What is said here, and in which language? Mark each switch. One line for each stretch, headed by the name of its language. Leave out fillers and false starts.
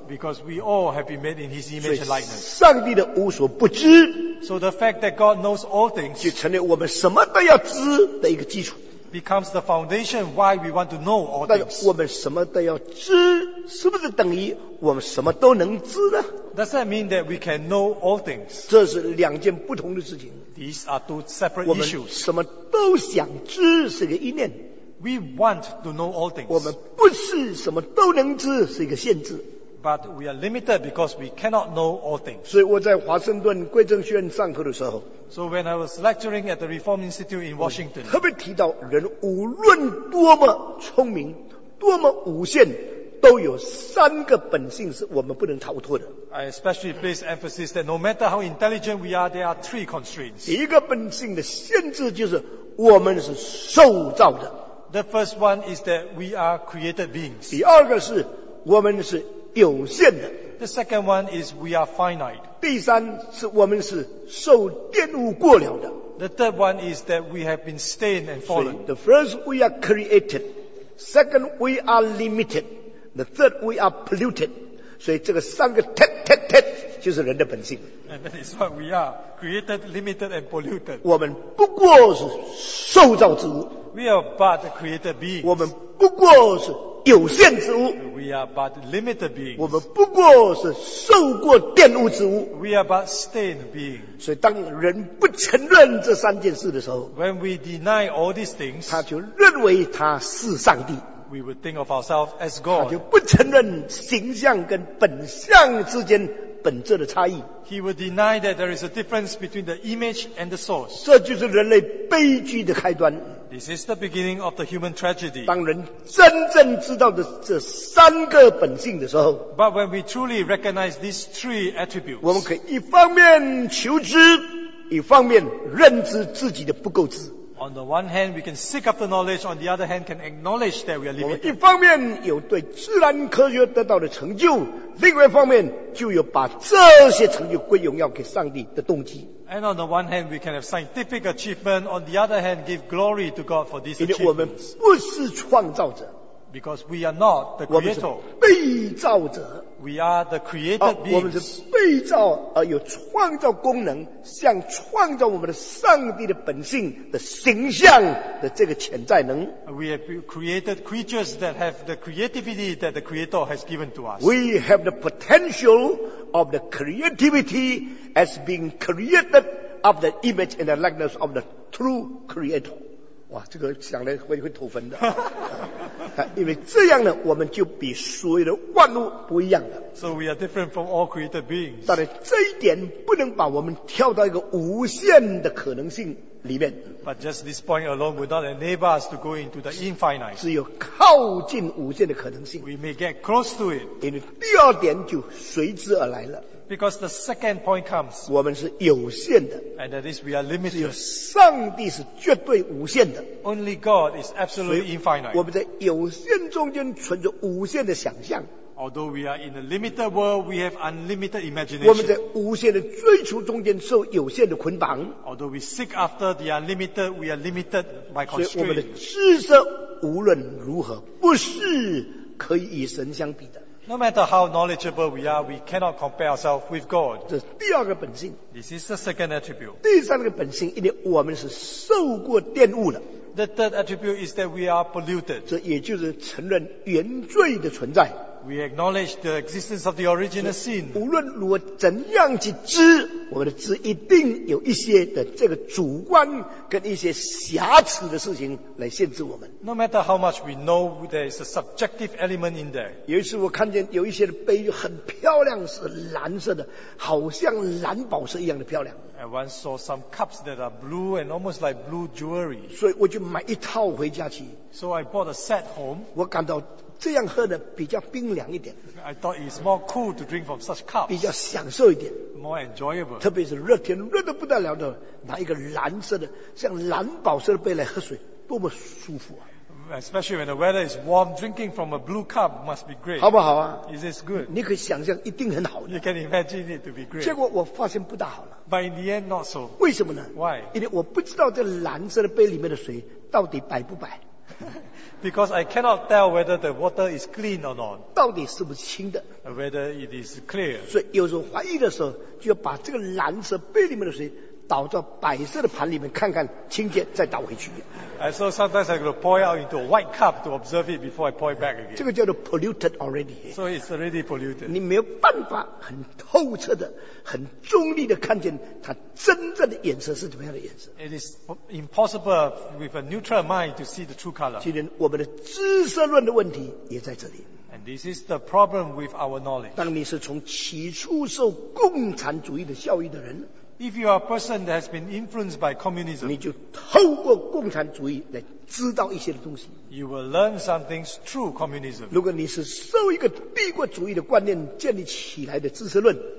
English: Because we all have been made in His image and likeness.
Chinese: 上帝的无所不知。
English: So the fact that God knows all things.
Chinese: 就成为我们什么都要知的一个基础。
English: Becomes the foundation why we want to know all things.
Chinese: 但我们什么都要知，是不是等于我们什么都能知呢？
English: Does that mean that we can know all things?
Chinese: 这是两件不同的事情。
English: These are two separate issues.
Chinese: 我们什么都想知是一个意念。
English: We want to know all things.
Chinese: 我们不是什么都能知是一个限制。
English: But we are limited because we cannot know all things.
Chinese: 所以我在华盛顿贵政学院上课的时候。
English: So when I was lecturing at the Reform Institute in Washington.
Chinese: 特别提到人无论多么聪明，多么无限。都有三个本性是我们不能逃脱的。
English: I especially place emphasis that no matter how intelligent we are, there are three constraints.
Chinese: 第一个本性的限制就是我们是受造的。
English: The first one is that we are created beings.
Chinese: 第二个是我们是有限的。
English: The second one is we are finite.
Chinese: 第三是我们是受玷污过了的。
English: The third one is that we have been stained and fallen. The first we are created. Second we are limited. The third, we are polluted.
Chinese: 所以这个三个 tet 就是人的本性。
English: And that is what we are. Created, limited, and polluted.
Chinese: 我们不过是受造之物。
English: We are but created beings.
Chinese: 我们不过是有限之物。
English: We are but limited beings.
Chinese: 我们不过是受过玷污之物。
English: We are but stained beings.
Chinese: 所以当人不承认这三件事的时候，
English: When we deny all these things,
Chinese: 他就认为他是上帝。
English: We would think of ourselves as God.
Chinese: 他就不承认形象跟本相之间本质的差异。
English: He would deny that there is a difference between the image and the source.
Chinese: 这就是人类悲剧的开端。
English: This is the beginning of the human tragedy.
Chinese: 当人真正知道的这三个本性的时候，
English: But when we truly recognize these three attributes,
Chinese: 我们可以一方面求知，一方面认知自己的不够知。
English: On the one hand, we can seek after knowledge. On the other hand, can acknowledge that we are limited.
Chinese: 一方面有对自然科学得到的成就，另外一方面就有把这些成就归荣耀给上帝的动机。
English: And on the one hand, we can have scientific achievement. On the other hand, give glory to God for this achievement.
Chinese: 因为我们不是创造者。
English: Because we are not the creator.
Chinese: 我们是被造者。
English: We are the created beings.
Chinese: 我们是被造而有创造功能，像创造我们的上帝的本性的形象的这个潜在能。
English: We have created creatures that have the creativity that the creator has given to us. We have the potential of the creativity as being created of the image and the likeness of the true creator.
Chinese: 哇，这个想来会吐分的，因为这样呢，我们就比所有的万物不一样的。
English: So we are different from all created beings.
Chinese: 但是这一点不能把我们跳到一个无限的可能性里面。
English: But just this point alone would not enable us to go into the infinite.
Chinese: 只有靠近无限的可能性。
English: We may get close to it.
Chinese: 因为第二点就随之而来了。
English: Because the second point comes,
Chinese: 我们是有限的。
English: And that is, we are limited.
Chinese: 只有上帝是绝对无限的。
English: Only God is absolutely infinite.
Chinese: 我们在有限中间存着无限的想象。
English: Although we are in a limited world, we have unlimited imagination.
Chinese: 我们在无限的追求中间受有限的捆绑。
English: Although we seek after the unlimited, we are limited by constraint.
Chinese: 所以我们的知识无论如何不是可以与神相比的。
English: No matter how knowledgeable we are, we cannot compare ourselves with God.
Chinese: 这是第二个本性。
English: This is the second attribute.
Chinese: 第三个本性，因为我们是受过玷污的。
English: The third attribute is that we are polluted.
Chinese: 这也就是承认原罪的存在。
English: We acknowledge the existence of the original sin.
Chinese: 无论如何怎样去知，我们的知一定有一些的这个主观跟一些瑕疵的事情来限制我们。
English: No matter how much we know, there is a subjective element in there.
Chinese: 有一次我看见有一些的杯具很漂亮，是蓝色的，好像蓝宝石一样的漂亮。
English: I once saw some cups that are blue and almost like blue jewelry.
Chinese: 所以我就买一套回家去。
English: So I bought a set home.
Chinese: 我感到这样喝的比较冰凉一点。
English: I thought it's more cool to drink from such cups.
Chinese: 比较享受一点。
English: More enjoyable.
Chinese: 特别是热天热得不得了的，拿一个蓝色的像蓝宝石的杯来喝水，多么舒服啊！
English: Especially when the weather is warm, drinking from a blue cup must be great.
Chinese: 好不好啊？
English: Is this good?
Chinese: 你可以想象一定很好的。
English: You can imagine it to be great.
Chinese: 结果我发现不大好了。
English: But in the end, not so.
Chinese: 为什么呢？
English: Why?
Chinese: 因为我不知道这蓝色的杯里面的水到底摆不摆。
English: Because I cannot tell whether the water is clean or not.
Chinese: 到底是不是清的？
English: Whether it is clear.
Chinese: 所以有时候怀疑的时候，就要把这个蓝色杯里面的水倒到白色的盘里面看看清洁，再倒回去。
English: So sometimes I got to pour out into a white cup to observe it before I pour it back again.
Chinese: 这个叫做
English: polluted already. So it's already polluted.
Chinese: 你没有办法很透彻的、很中立的看见它真正的颜色是怎么样的颜色。
English: It is impossible with a neutral mind to see the true color.
Chinese: 今天我们的知识论的问题也在这里。
English: And this is the problem with our knowledge.
Chinese: 当你是从起初受共产主义的教育的人。
English: If you are a person that has been influenced by communism,
Chinese: 你就透过共产主义来知道一些的东西。
English: You will learn some things through communism.
Chinese: 如果你是受一个帝国主义的观念建立起来的知识论，